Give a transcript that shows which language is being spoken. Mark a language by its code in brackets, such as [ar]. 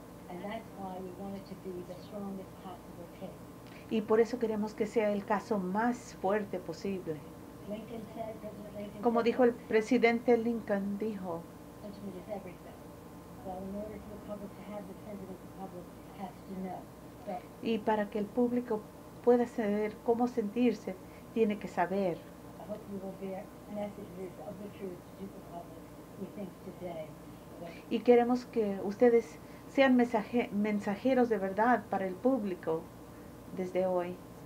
[en] And that's why we want it to be the strongest possible case. [es] Y por eso queremos que sea el caso más fuerte posible. [en] Lincoln said, President Lincoln, [es] como dijo el presidente Lincoln, dijo, [en] country is everything. So in order for the public to have the president, the public has to know. But [es] y para que el público pueda saber cómo sentirse, tiene que saber. [en] I hope you will bear messages of the truth to the public, we think, today. [es] Y queremos que ustedes sean mensajeros de verdad para el público desde hoy.